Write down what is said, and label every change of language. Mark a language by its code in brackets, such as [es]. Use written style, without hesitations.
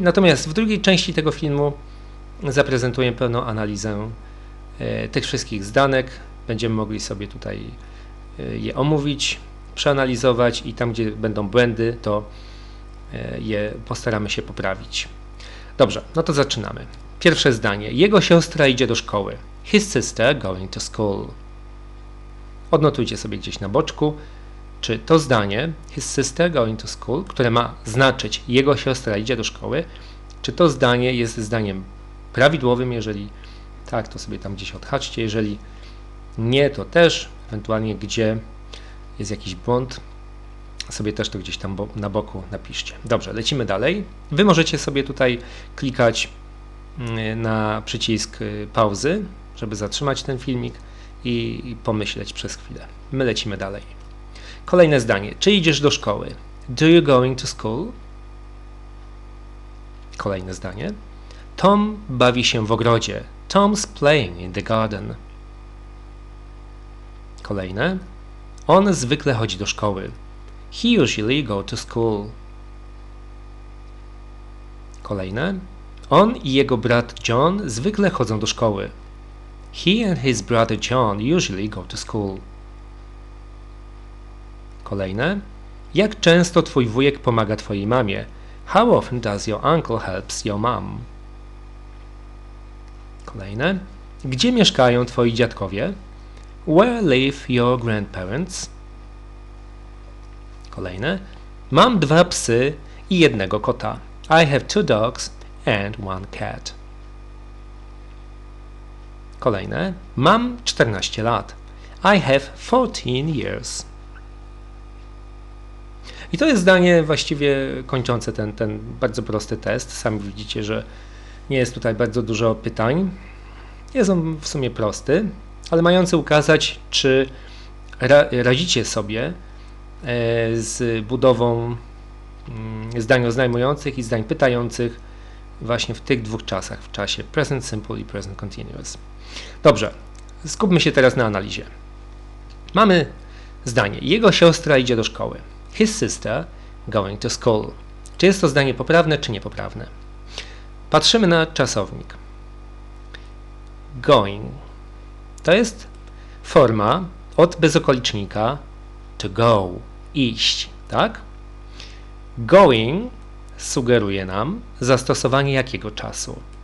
[pl] Natomiast w drugiej części tego filmu zaprezentuję pełną analizę tych wszystkich zdanek. Będziemy mogli sobie tutaj je omówić, przeanalizować i tam, gdzie będą błędy, to je postaramy się poprawić. Dobrze, no to zaczynamy. Pierwsze zdanie. Jego siostra idzie do szkoły. [en] His sister going to school. [pl] Odnotujcie sobie gdzieś na boczku, czy to zdanie, [en] his sister going to school, [pl] które ma znaczyć jego siostra idzie do szkoły, czy to zdanie jest zdaniem prawidłowym. Jeżeli tak, to sobie tam gdzieś odhaczcie. Jeżeli nie, to też ewentualnie, gdzie jest jakiś błąd, sobie też to gdzieś tam na boku napiszcie. Dobrze, lecimy dalej. Wy możecie sobie tutaj klikać na przycisk pauzy, żeby zatrzymać ten filmik i pomyśleć przez chwilę. My lecimy dalej. Kolejne zdanie. Czy idziesz do szkoły? [en] Do you going to school? [pl] Kolejne zdanie. Tom bawi się w ogrodzie. [en] Tom's playing in the garden. [pl] Kolejne. On zwykle chodzi do szkoły. [en] He usually go to school. [pl] Kolejne. On i jego brat John zwykle chodzą do szkoły. [en] He and his brother John usually go to school. [pl] Kolejne. Jak często twój wujek pomaga twojej mamie? [en] How often does your uncle helps your mom? [pl] Kolejne. Gdzie mieszkają twoi dziadkowie? [en] Where live your grandparents? [pl] Kolejne. Mam dwa psy i jednego kota. [en] I have two dogs and one cat. [pl] Kolejne. Mam 14 lat. [en] I have 14 years. [pl] I to jest zdanie właściwie kończące ten bardzo prosty test. Sami widzicie, że nie jest tutaj bardzo dużo pytań. Jest on w sumie prosty, ale mający ukazać, czy radzicie sobie z budową zdań oznajmujących i zdań pytających właśnie w tych dwóch czasach, w czasie present simple i present continuous. Dobrze, skupmy się teraz na analizie. Mamy zdanie. Jego siostra idzie do szkoły. [en] His sister going to school. [pl] Czy jest to zdanie poprawne, czy niepoprawne? Patrzymy na czasownik. Going. To jest forma od bezokolicznika to go, iść, tak? Going sugeruje nam zastosowanie jakiego czasu?